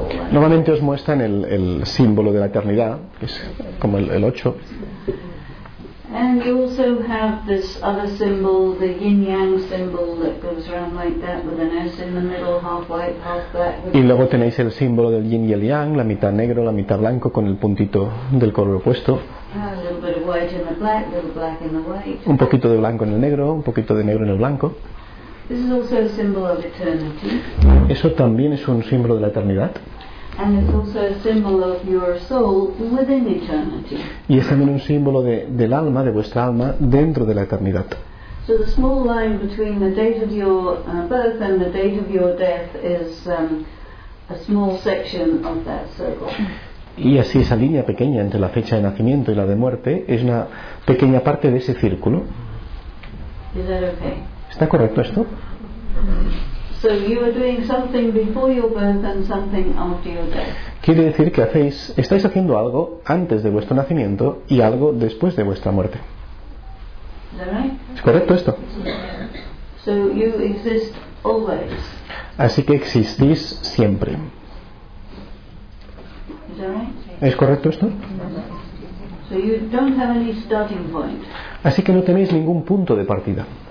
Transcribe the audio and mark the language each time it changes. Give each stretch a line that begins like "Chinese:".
Spanish: Normalmente os muestran el símbolo de la eternidad, que es como el 8.
English: And you also have this other symbol, the yin yang symbol that goes around like that with an S in the middle, half white, half black.
Spanish: Y luego tenéis el símbolo del yin y el yang, la mitad negro, la mitad blanco, con el puntito del color opuesto.
English: A little bit of white in the black, a little black in the white.
Spanish: Un poquito de blanco en el negro, un poquito de negro en el blanco.
English: This is also a symbol of eternity.
Spanish: Eso también es un símbolo de la eternidad.
English: And it's also a symbol of your soul within eternity.
Spanish: Y es también un símbolo del alma, de vuestra alma, dentro de la eternidad.
English: So the small line between the date of your birth and the date of your death is a small section of that circle.
Spanish: Y así esa línea pequeña entre la fecha de nacimiento y la de muerte es una pequeña parte de ese círculo.
English: Is that okay?
Spanish: ¿Está correcto esto?
English: So you are doing something before your birth and something after your death.
Spanish: Quiere decir que estáis haciendo algo antes de vuestro nacimiento y algo después de vuestra muerte.
English: Is that right?
Spanish: ¿Es correcto esto?
English: So you exist always.
Spanish: Así que existís siempre.
English: Is that right?
Spanish: ¿Es correcto esto?
English: So you don't have any starting point.
Spanish: Así que no tenéis ningún punto de partida.